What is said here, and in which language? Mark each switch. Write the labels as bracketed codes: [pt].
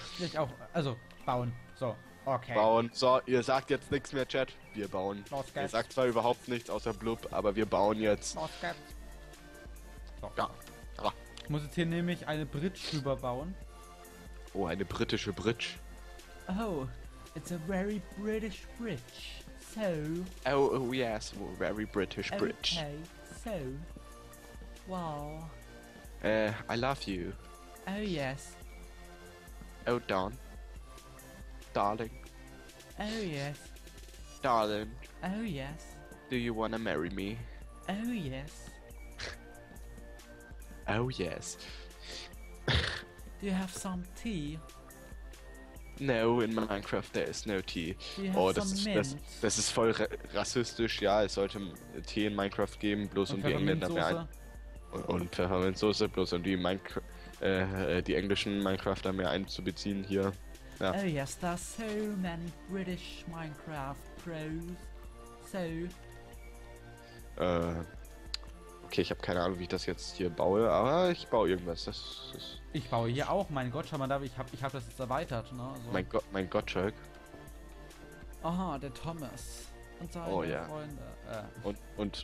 [de] Ich auch. Also, bauen. So. Okay. Bauen. So, ihr sagt jetzt nichts mehr, Chat. Wir bauen. Los, ihr sagt zwar überhaupt nichts außer Blub, aber wir bauen jetzt. Los, so. Ja. Ja. Ich muss jetzt hier nämlich eine Bridge überbauen. Oh, eine britische Bridge. [en] Oh, it's a very British bridge. So. Oh yes, very British bridge. Okay, so. Wow. I love you. Oh yes. Oh, Dawn. Darling. Oh yes. Darling. Oh yes. Do you wanna marry me? Oh yes. Oh yes. Do you have some tea? No, in Minecraft there is no tea. Oh, [de] das ist voll rassistisch. Ja, es sollte Tee in Minecraft geben, bloß und um die Engländer mehr und Pfefferminzsoße, bloß um die englischen Minecrafter mehr einzubeziehen hier. Ja. [en] Oh yes, there are so many British Minecraft pros. [de] So. Okay, ich habe keine Ahnung, wie ich das jetzt hier baue, aber ich baue irgendwas. Ich baue hier auch. Mein Gott, schau mal, ich hab das jetzt erweitert, ne? So. Mein Gottschalk. Aha, der Thomas. Und seine Freunde.